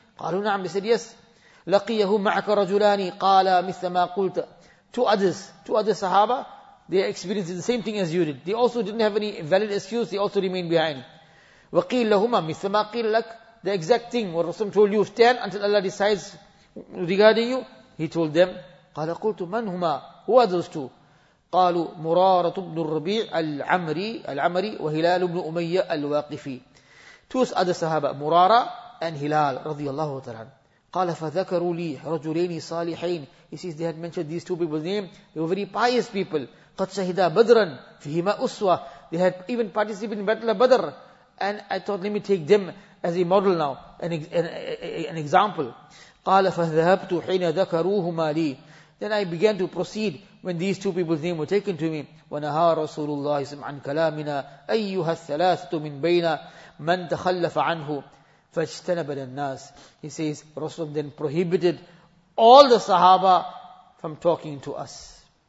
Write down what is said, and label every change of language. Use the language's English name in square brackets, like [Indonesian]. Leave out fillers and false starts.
[Arabic] قَالُوا نَعَمْ. [English] They said, yes. [Arabic] لَقِيَهُ مَعَكَ رَجُلَانِ قَالَا مِثَّ مَا قُلْتَ. [English] Two other Sahaba, they experienced the same thing as you did. They also didn't have any valid excuse, they also remained behind. [Arabic] وَقِيلَ لَهُمَا مِثَّ مَا قِيلَ لَكَ. [English] The exact thing, what Rasul told you, stand until Allah decides regarding you. He told them, [Arabic] قَالَ قُلْتُ مَنْ هُمَا. [English] Who are those two? [Arabic] قالوا مرارة بن الربيع العمري وهلال بن أمية الواقفي. [English] Two other Sahaba, مرارة and هلال رضي الله تعالى. [Arabic] قال فذكروا لي رجلين صالحين. [English] He says, they had mentioned these two people's name. They were very pious people. [Arabic] قد شهدا بدرا فيهما أسوة. [English] They had even participated in battle of Badr. And I thought, let me take them as a model now, an example. [Arabic] قال فذهبت حين ذكروهما لي. [English] Then I began to proceed when these two people's names were taken to me. [Arabic] وَنَهَا رَسُولُ اللَّهِ صَلَّى اللَّهُ عَنْ كَلَامِنَا أَيُّهَا الثَّلَاثَةُ مِنْ بَيْنَا مَنْ تَخَلَّفَ عَنْهُ فَاجْتَنَبَ النَّاسِ. [English] He says, Rasulullah then prohibited all the Sahaba from talking to us.